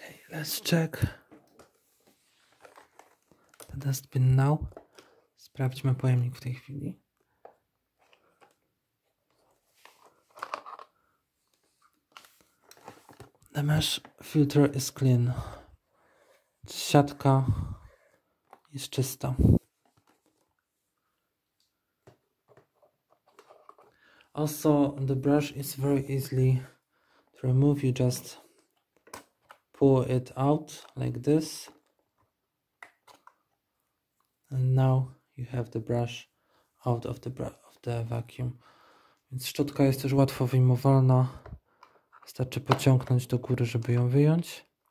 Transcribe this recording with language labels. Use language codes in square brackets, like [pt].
[en] Let's check the dustbin now. [pl] Sprawdźmy pojemnik w tej chwili. [en] The mesh filter is clean. [pl] Siatka jest czysta. [en] Also, the brush is very easily to remove. You just pull it out like this And now you have the brush out of the vacuum. [pl] Więc szczotka jest też łatwo wyjmowalna. Wystarczy pociągnąć do góry, żeby ją wyjąć.